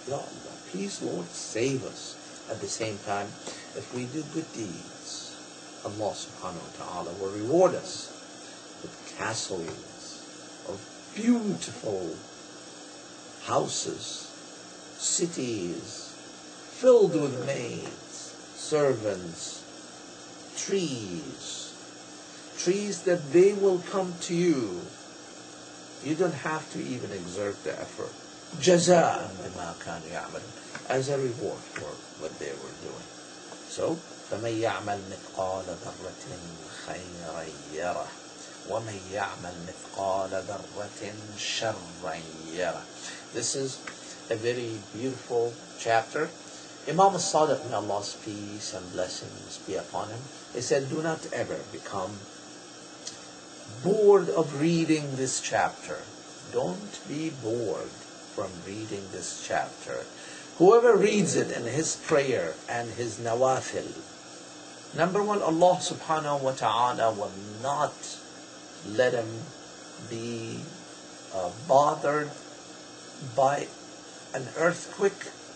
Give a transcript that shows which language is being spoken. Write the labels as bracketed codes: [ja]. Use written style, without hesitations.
[en] Ya Allah, please Lord, save us. At the same time, if we do good deeds, Allah subhanahu wa ta'ala will reward us with castles of beautiful houses, cities filled with maids, servants, trees that they will come to you. You don't have to even exert the effort. [ar] Jaza'an bima kanu ya'malun, [en] as a reward for what they were doing. [ar] So, فَمَنْ يَعْمَلْ مِثْقَالَ ذَرَّةٍ خَيْرًا يَرَهُ وَمَنْ يَعْمَلْ مِثْقَالَ ذَرَّةٍ شَرًّا يَرَهُ [en] This is a very beautiful chapter. Imam al-Sadiq, may Allah's peace and blessings be upon him, he said, do not ever become bored of reading this chapter. Don't be bored from reading this chapter. Whoever reads it in his prayer and his nawafil, number one, Allah subhanahu wa ta'ala will not let him be bothered by an earthquake,